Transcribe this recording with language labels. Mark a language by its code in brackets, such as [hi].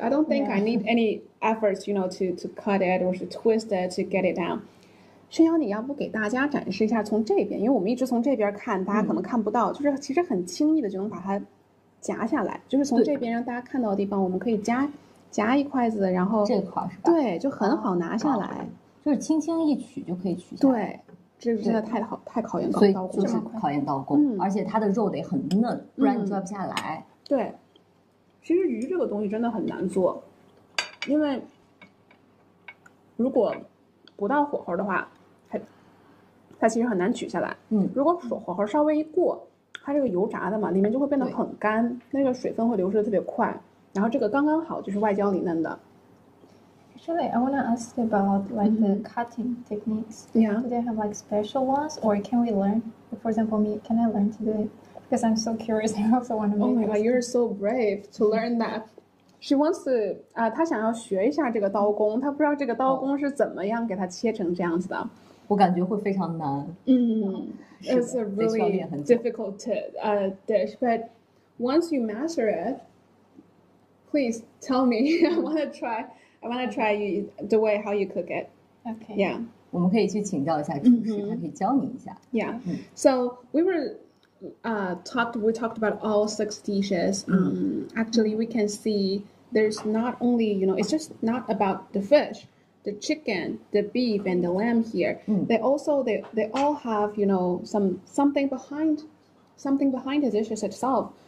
[en] I don't think I need any efforts, you know, to cut it or to twist it to get it down. [zh] Xi'an Yao，你要不给大家展示一下从这边，因为我们一直从这边看，大家可能看不到，就是其实很轻易的就能把它夹下来，就是从这边让大家看到的地方，我们可以夹一筷子，然后这块是吧？对，就很好拿下来，就是轻轻一取就可以取下来。对，这真的太好，太考验刀工，就是考验刀工，而且它的肉得很嫩，不然你抓不下来。对，其实鱼这个东西真的很难做，因为如果不到火候的话。它其实很难取下来，如果火候稍微一过，它这个油炸的嘛，里面就会变得很干，那个水分会流失的特别快，然后这个刚刚好就是外焦里嫩的。 [en] Actually, I want to ask about like the cutting techniques. Yeah. Do they have like special ones, or can we learn? For example, me, can I learn to do it? Because I'm so curious. I also want to. Oh my god, you're so brave to learn that. She wants to, [zh] 她想要学一下这个刀工，她不知道这个刀工是怎么样给它切成这样子的。我感觉会非常难。 [en] It's a really difficult to, dish, but once you master it, please tell me. I want to try you, the way how you cook it. Okay. Yeah. [zh] 我们可以去请教一下厨师，他可以教你一下。 [en] Yeah. So we were, we talked about all six dishes. Actually, we can see there's not only, you know, it's just not about the fish. The chicken, the beef, and the lamb here, they all have, you know, something behind the dishes itself.